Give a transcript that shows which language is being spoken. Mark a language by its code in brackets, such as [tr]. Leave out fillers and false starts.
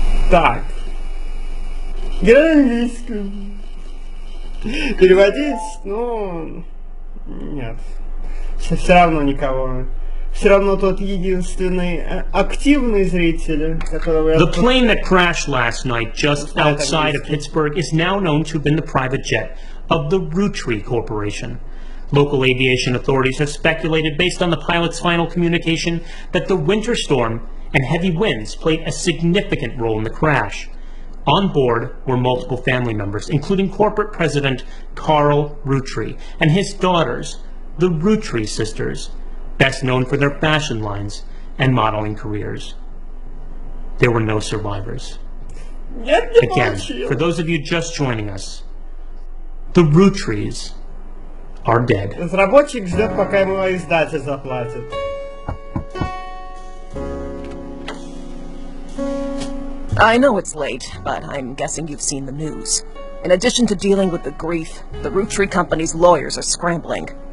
[ru] Так. Гранлиском. Переводить? Ну, нет. Все равно никого. Все равно тот единственный активный зритель, которого я... [en] The plane that crashed last night just outside of Pittsburgh is now known to have been the private jet of the Rootree Corporation. Local aviation authorities have speculated, based on the pilot's final communication, that the winter storm and heavy winds played a significant role in the crash. On board were multiple family members, including corporate president Carl Rootree and his daughters, the Rootree sisters, best known for their fashion lines and modeling careers. There were no survivors. Again, for those of you just joining us, the Rootrees are dead. [ru] Разработчик ждет, пока ему издатель заплатит. [en] I know it's late, but I'm guessing you've seen the news. In addition to dealing with the grief, the Rootree Company's lawyers are scrambling.